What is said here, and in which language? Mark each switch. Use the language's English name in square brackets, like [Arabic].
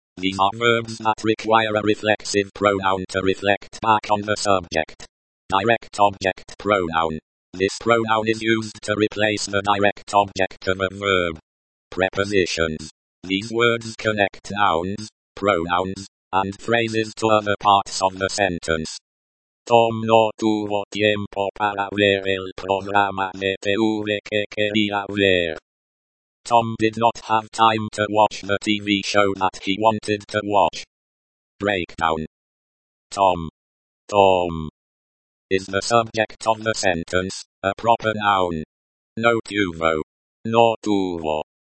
[English] These are verbs that require a reflexive pronoun to reflect back on the subject. Direct object pronoun. This pronoun is used to replace the direct object of a verb. Prepositions. These words connect nouns, pronouns, and phrases to other parts of the sentence. [Spanish] Tom no tuvo tiempo para ver el programa de TV que quería ver. [English] Tom did not have time to watch the TV show that he wanted to watch. Breakdown. Tom. Tom. Is the subject of the sentence, a proper noun. [Spanish] No tuvo. No tuvo.